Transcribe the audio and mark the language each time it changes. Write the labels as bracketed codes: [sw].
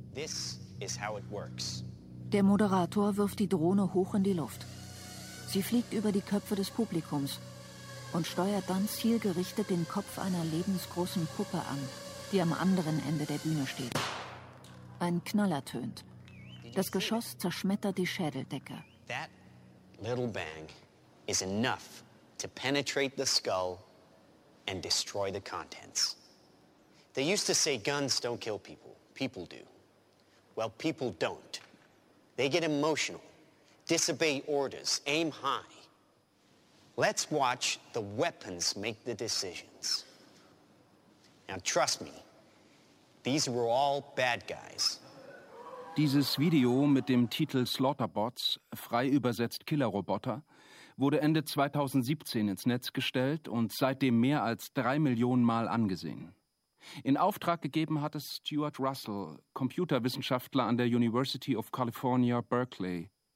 [de] Der Moderator wirft die Drohne hoch in die Luft. Sie fliegt über die Köpfe des Publikums und steuert dann zielgerichtet den Kopf einer lebensgroßen Puppe an, die am anderen Ende der Bühne steht. Ein Knall ertönt. Das Geschoss zerschmettert die Schädeldecke. [en] That little bang is enough to penetrate the skull and destroy the contents. They used to say guns don't kill people. People do. Well, people don't. They get emotional. disobey orders, aim high. Let's watch the weapons make the decisions. Now trust me, these were all bad guys. [de] Dieses Video mit dem Titel Slaughterbots, frei übersetzt Killerroboter, wurde Ende 2017 ins Netz gestellt und seitdem mehr als 3 Millionen Mal angesehen. In Auftrag gegeben hat es Stuart Russell, Computerwissenschaftler an der University of California, Berkeley.